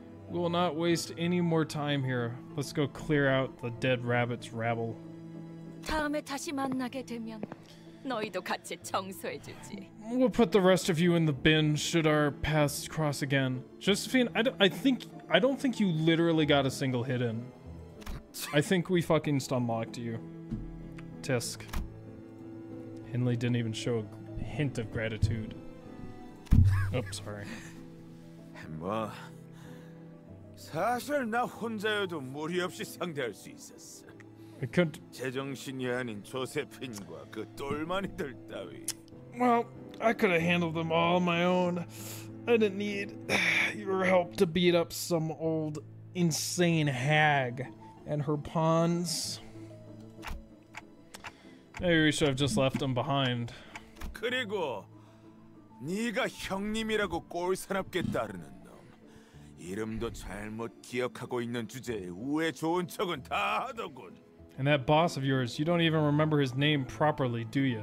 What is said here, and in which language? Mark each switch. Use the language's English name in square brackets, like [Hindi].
[English] We will not waste any more time here. Let's go clear out the dead rabbit's rabble. [Korean] 다음에 다시 만나게 되면 너희도 같이 청소해 주지. [English] We'll put the rest of you in the bin should our paths cross again. Josephine, I don't think you literally got a single hit in. I think we fucking stunlocked you. Tisk. Henley didn't even show a hint of gratitude. Oops, sorry. [Korean] 뭐 사실 나 혼자여도 무리 없이 상대할 수 있었어. 제정신이 아닌 조세핀과 그 똘마니들 따위. [English] Well, I could have handled them all on my own. I didn't need your help to beat up some old insane hag and her pawns. Maybe we should have just left him behind. [Korean] 그리고 네가 형님이라고 꼴사납게 따르는 놈, 이름도 잘못 기억하고 있는 주제에 우애 좋은 척은 다 하더군. [English] And that boss of yours, you don't even remember his name properly, do you?